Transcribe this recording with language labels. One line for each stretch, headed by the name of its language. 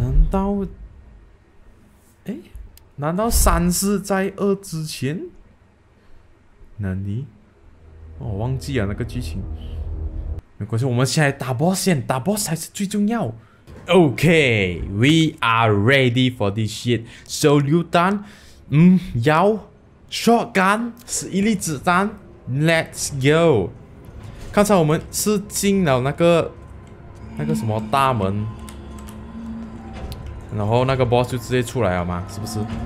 Chinese: 道，哎，难道三是在二之前？那你，我忘记了那个剧情。没关系，我们先来打 boss 先，打 boss 才是最重要。
English: Okay, we are ready for this shit.
Chinese: So, 榴弹，腰 ，shotgun 是一粒子弹。
English: Let's go.
Chinese: 刚才我们是进了那个什么大门，然后那个 boss 就直接出来了嘛，是不是？